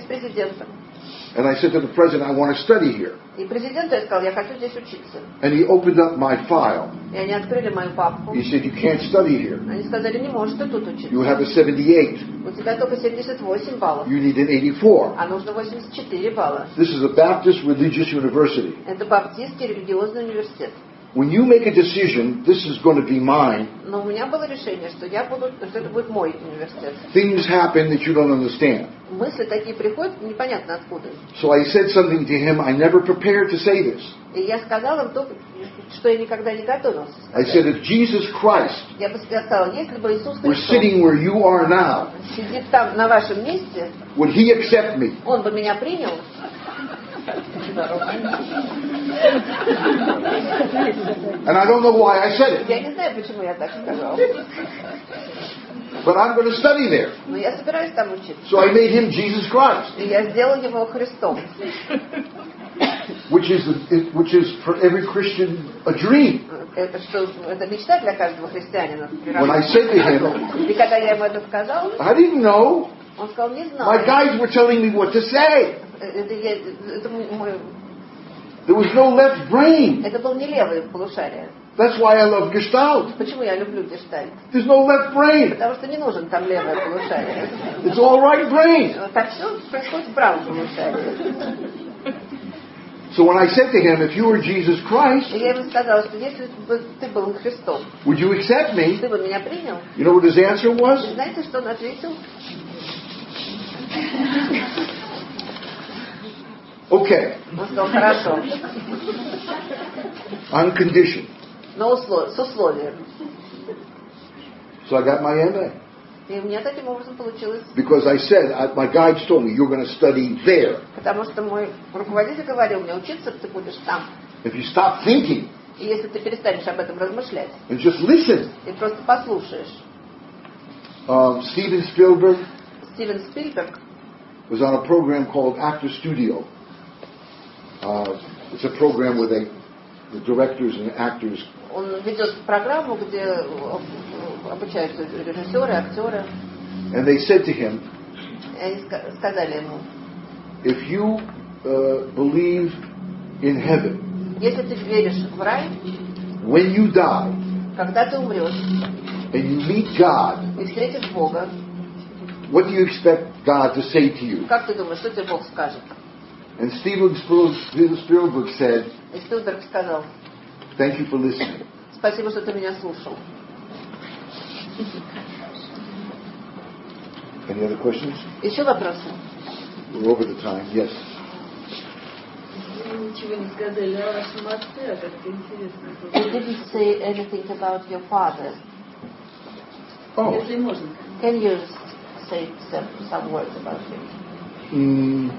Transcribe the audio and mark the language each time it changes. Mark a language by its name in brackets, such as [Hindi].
[English] And I said to the president, I want to study here. [Russian] И президенту я сказал, я хочу здесь учиться. [English] And he opened up my file. [Russian] И они открыли мою папку. [English] He said, you can't study here. [Russian] Они сказали, не можешь ты тут учиться. [English] You have a 78. [Russian] У тебя только 78 баллов. [English] You need an 84. [Russian] А нужно 84 балла. [English] This is a Baptist religious university. [Russian] Это баптистский религиозный университет. [English] When you make a decision, this is going to be mine. [Russian] Но у меня было решение, что я буду, что это будет мой университет. [English] Things happen that you don't understand. [Russian] Мысли такие приходят, непонятно откуда. [English] So I said something to him, I never prepared to say this. [Russian] И я сказал им то, что я никогда не готовился. [English] I said, if Jesus Christ were sitting where you are now, [Russian] сидит там на вашем месте, [English] would he accept me? [Russian] Он бы меня принял. [English] And I don't know why I said it. [Russian] Я не знаю, почему я так сказал. [English] But I'm going to study there. [Russian] Но я собираюсь там учиться. [English] So I made him Jesus Christ. [Russian] И я сделал его Христом. [English] Which is for every Christian a dream. [Russian] Это что, это мечта для каждого христианина. [English] When I said to him, [Russian] и когда я ему это сказал, [English] I didn't know. [Russian] Он сказал, не знал. [English] My guys were telling me what to say. There was no left brain. [Russian] Это был не левое полушарие. [English] That's why I love Gestalt. [Russian] Почему я люблю Гештальт? [English] There's no left brain. [Russian] Потому что не нужен там левое полушарие. [English] It's all right brain. [Russian] Так все происходит в правом полушарии. [English] So when I said to him, if you were Jesus Christ, [Russian] я ему сказал, что если бы ты был Христом, [English] would you accept me? [Russian] Ты бы меня принял? [English] You know what his answer was? [Russian] Знаете, что он ответил? [English] Okay. [Russian] Хорошо. [English] On condition. [Russian] Но с условием. [English] So I got my MA. [Russian] И у меня таким образом получилось. [English] Because I said, my guides told me you're going to study there. [Russian] Потому что мой руководитель говорил мне, учиться ты будешь там. [English] If you stop thinking. [Russian] И если ты перестанешь об этом размышлять. [English] And just listen. [Russian] И просто послушаешь. Стивен Спилберг. [English] Was on a program called Actor Studio. It's a program where the directors and actors. [Russian] Он ведет программу, где обучаются режиссеры, актеры. [English] And they said to him. [Russian] Они сказали ему. [English] If you believe in heaven. [Russian] Если ты веришь в рай. [English] When you die. [Russian] Когда ты умрешь. [English] And you meet God. [Russian] И встретишь Бога. [English] What do you expect God to say to you? [Russian] Как ты думаешь, что тебе Бог скажет? [English] And Steven Spielberg said, [Russian] Spielberg сказал, [English] thank you for listening. [Russian] Спасибо, что ты меня слушал. [English] Any other questions? [Russian] Еще вопросы? [English] We're over the time, yes. [Russian] Вы ничего не сказали о вашем отце, а как-то интересно. [English] You didn't say anything about your father. Oh. [Russian] Если можно. [English] Can you say some words about him?